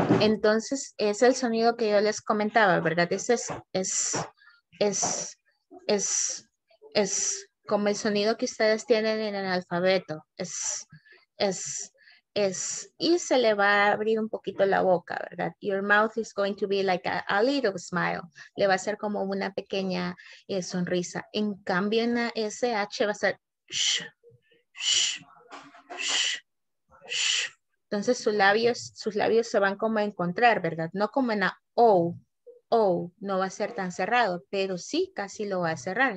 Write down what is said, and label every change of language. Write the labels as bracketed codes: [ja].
[es] Entonces es el sonido que yo les comentaba, ¿verdad? Ese es como el sonido que ustedes tienen en el alfabeto. Es y se le va a abrir un poquito la boca, ¿verdad? [en] Your mouth is going to be like a little smile. [es] Le va a ser como una pequeña sonrisa. En cambio, en la SH va a ser sh, sh, sh, sh. Entonces, sus labios se van como a encontrar, ¿verdad? No como en la O, O, no va a ser tan cerrado, pero sí casi lo va a cerrar.